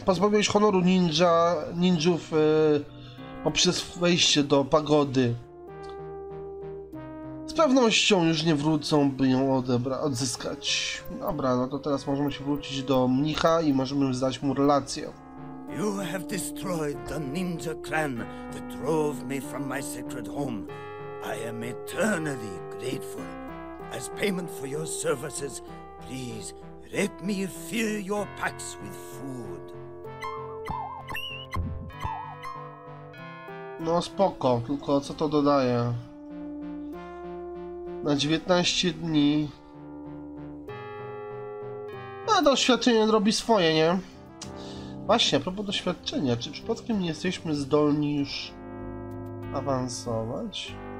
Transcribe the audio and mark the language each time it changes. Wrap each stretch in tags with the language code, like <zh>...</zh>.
<pl>Pozbawiłeś honoru ninja, ninjów poprzez wejście do pagody. Z pewnością już nie wrócą, by ją odzyskać. Dobra, no to teraz możemy się wrócić do mnicha i możemy zdać mu relację.</pl> <en>You have destroyed the ninja clan that drove me from my sacred home. I am eternally grateful. As payment for your services, please let me fill your packs with food.</en> <pl>No spoko, tylko co to dodaje? Na 19 dni... A doświadczenie robi swoje, nie? Właśnie, a propos doświadczenia, czy przypadkiem nie jesteśmy zdolni już awansować?</pl>